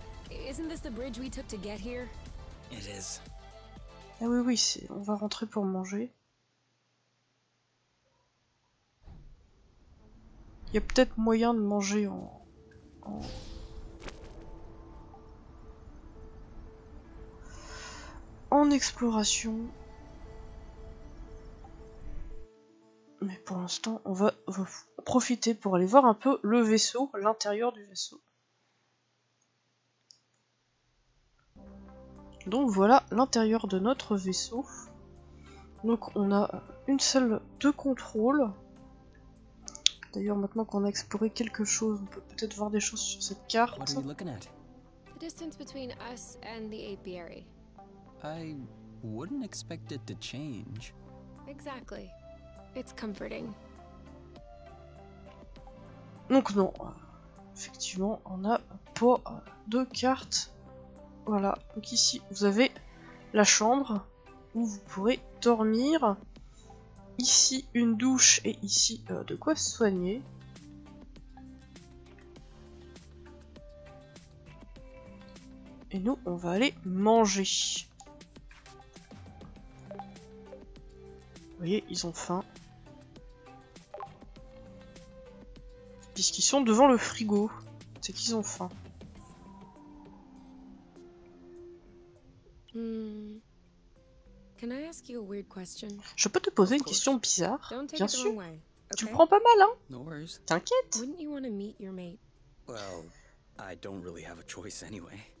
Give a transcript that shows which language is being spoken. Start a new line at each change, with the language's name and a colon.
English: Isn't this the bridge we took to get here? It is.
French: Ah oui, c'est... on va rentrer pour manger. Il y a peut-être moyen de manger en... en exploration. Mais pour l'instant, on va profiter pour aller voir un peu le vaisseau, l'intérieur du vaisseau. Donc voilà l'intérieur de notre vaisseau. Donc on a une salle de contrôle. D'ailleurs, maintenant qu'on a exploré quelque chose, on peut peut-être voir des choses sur cette carte.
English: What are you looking at? The distance between us and the apiary. I wouldn't expect it to change. Exactly. It's comforting.
French: Donc non, effectivement, on a pas de carte. Voilà, donc ici vous avez la chambre où vous pourrez dormir. Ici une douche et ici de quoi se soigner. Et nous on va aller manger. Vous voyez, ils ont faim. Puisqu'ils sont devant le frigo, c'est qu'ils ont faim.
English: Can I ask you a weird question?
French: Je peux te poser une question bizarre, bien sûr. Tu prends pas mal, hein?
English: No worries.
French: T'inquiète.
English: Wouldn't you want to meet your mate? Well, I don't really have a choice anyway.